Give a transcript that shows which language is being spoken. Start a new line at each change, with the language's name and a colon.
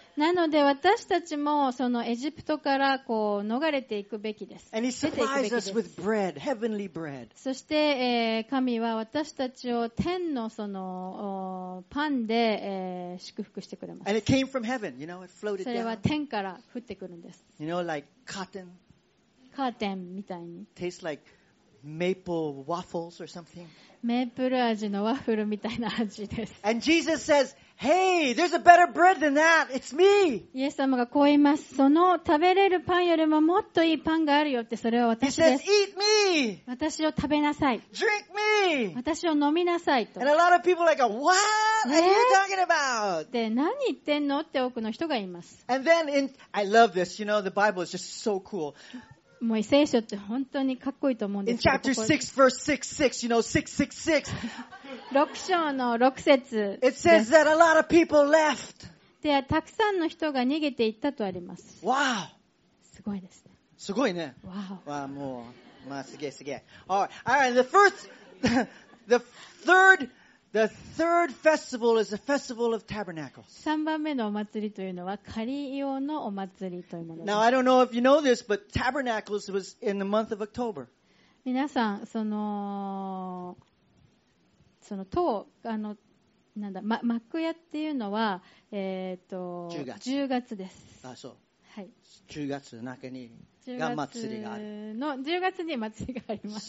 Japanese: なので私たちもそのエジプトからこう逃れていくべきです。
English: And he supplies us with bread, heavenly bread.
Japanese: そして神は私たちを天のそのパンで祝福してくれます。
English: And it came from heaven, you know, it floated down.
Japanese: それは天から降ってくるんです。
English: You know, like cotton.
Japanese: カーテンみたいに。
English: Tastes like maple waffles or something.
Japanese: メープル味のワッフルみたいな味です。
English: And Jesus says,Hey, there's a better bread than that. It's me.
Japanese: イエス様がこう言います。その食べれるパンよりももっといいパンがあるよって、それは私です。
English: He says, Eat me.
Japanese: 私を食べなさい。
English: Drink me.
Japanese: 私を飲みなさいと。
English: And a lot of people are like, What are you talking about?
Japanese: で、何言ってんのって多くの人が言います。
English: And then, I love this. You know, the Bible is just so cool.
Japanese: もう聖書って本当にかっこいいと思うんですけど。
English: In chapter 6, verse 66, you know, 666.
Japanese: 6章の6節
English: It says that a lot of people left.
Japanese: で、たくさんの人が逃げていったとあります。
English: Wow.
Japanese: すごいですね。すごいね。
English: Wow.
Japanese: わあ、もう、まあ、すげえすげえ。
English: All right. The third festival is the festival of tabernacles.
Japanese: 3番目のお祭りというのは仮用のお祭りというものです。
English: Now I don't know if you know this, but tabernacles was in the month of October.
Japanese: 皆さん、その塔、なんだ、幕屋っていうのは、10月です。あ、そう。はい。 10月の中に、が祭りがある。の、10月に祭りがあります。